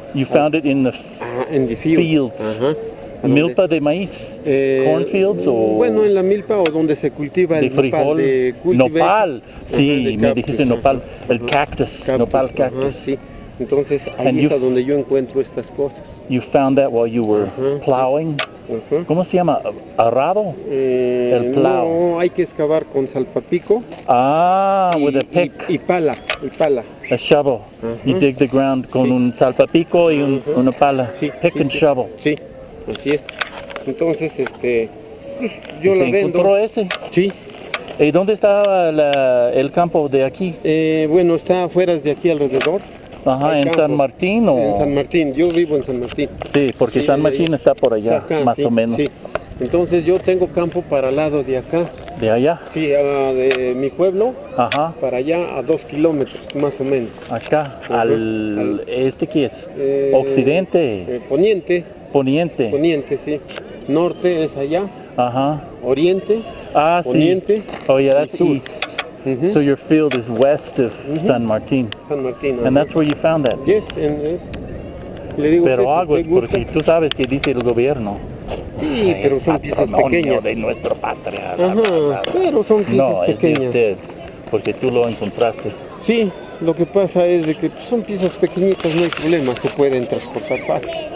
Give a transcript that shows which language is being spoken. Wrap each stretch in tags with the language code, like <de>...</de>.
<en>You found it in the field.</en> <es>Fields. Milpa de maíz. Cornfields o bueno, en la milpa o donde se cultiva el frijol, nopal. Sí, me dijiste nopal, el cactus. Nopal cactus. Sí. Entonces ahí</es> <en>and</en> <es>está donde yo encuentro estas cosas.</es> <en>You found that while you were plowing.</en> <es>¿Cómo se llama? ¿Arado? El plow. No, hay que excavar con salpapico.</es> <en>Ah, with a pick.</en> <es>Y pala, y pala.</es> <en>A shovel. You dig the ground</en> <es>con un salpapico y una pala. Sí.</es> <en>Pick</en> <es>sí,</es> <en>and shovel.</en> <es>Sí, así es. Entonces, yo la vendo. ¿Se encontró ese? Sí. ¿Y dónde está el campo de aquí? Bueno, está afuera de aquí alrededor. Ajá, en San Martín o... En San Martín, yo vivo en San Martín. Sí, porque San Martín está por allá, acá, más sí, o menos. Sí. Entonces yo tengo campo para el lado de acá. ¿De allá? Sí, de mi pueblo. Ajá. Para allá a 2 kilómetros, más o menos. Acá, al este que es, occidente. Poniente. Poniente. Poniente, sí. Norte es allá. Ajá. Oriente. Ah, poniente, sí.</es> <en>Oh, yeah, that's east. So your field is west of San Martín.</en> <es>San Martín.</es> <en>And that's where you found that. Yes, and yes.</en> <es>Le digo pero aguas, porque tú sabes que dice el gobierno. Sí, pero son piezas pequeñas. De nuestro patria. Pero son piezas pequeñas. No, es de usted, porque tú lo encontraste. Sí, lo que pasa es de que son piezas pequeñitas, no hay problema, se pueden transportar fácil.</es>